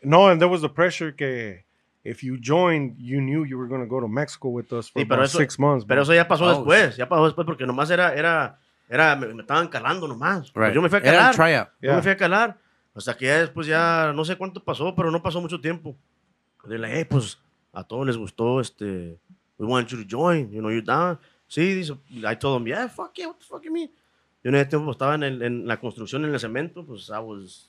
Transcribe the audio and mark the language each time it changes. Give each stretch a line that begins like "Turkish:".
English: No, and there was the pressure que if you joined, you knew you were going to go to Mexico with us for about 6 months.
Spanish: Pero eso ya pasó después. Ya pasó después porque nomás era me estaban calando nomás. Right. Pues yo me fui a calar. Era el tryout. Yo me fui a calar. Hasta que ya después ya, no sé cuánto pasó, pero no pasó mucho tiempo. Le dije, pues a todos les gustó,
English: we want you to join, you know, you're down.
Spanish: Sí, dice,
English: I told him, yeah, fuck it, what the fuck you mean?
Spanish: Yo en ese tiempo estaba en la construcción, en el cemento, pues
English: I was...